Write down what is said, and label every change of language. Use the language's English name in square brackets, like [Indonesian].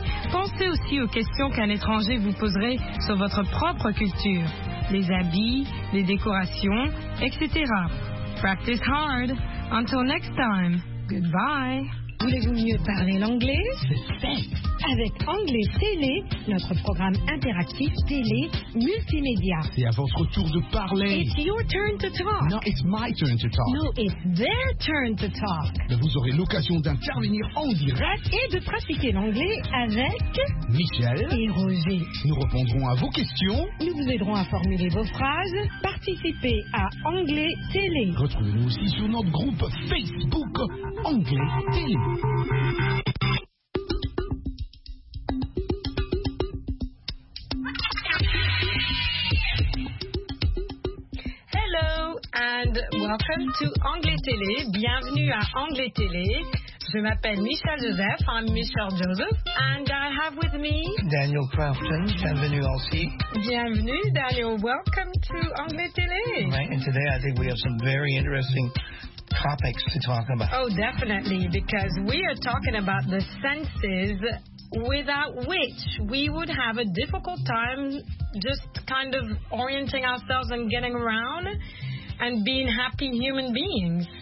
[French] Pensez aussi aux questions qu'un étranger vous poserait sur votre propre culture, les habits, les décorations, etc. [English] Practice hard. Until next time. Goodbye. [French] Voulez-vous mieux parler l'anglais? C'est fait. avec Anglais Télé, notre programme interactif télé multimédia. C'est à votre tour de parler. [English] It's your turn to talk. No, it's my turn to talk. No, it's their turn to talk. [French] Vous aurez l'occasion d'intervenir en direct et de pratiquer l'anglais avec Michel et Roger. Nous répondrons à vos questions. Nous vous aiderons à formuler vos phrases. Participez à Anglais Télé. Retrouvez-nous aussi sur notre groupe Facebook Anglais Télé. [English] And welcome to Anglais Télé. [French] Bienvenue à Anglais Télé. Je m'appelle Michel Joseph. [English] I'm Michel Joseph. And I have with me [French] Daniel Crafton. Bienvenue aussi. Bienvenue, Daniel. [English] Welcome to Anglais Télé. Right, and today I think we have some very interesting topics to talk about. Oh, definitely, because we are talking about the senses without which we would have a difficult time just kind of orienting ourselves and getting around and being happy human beings.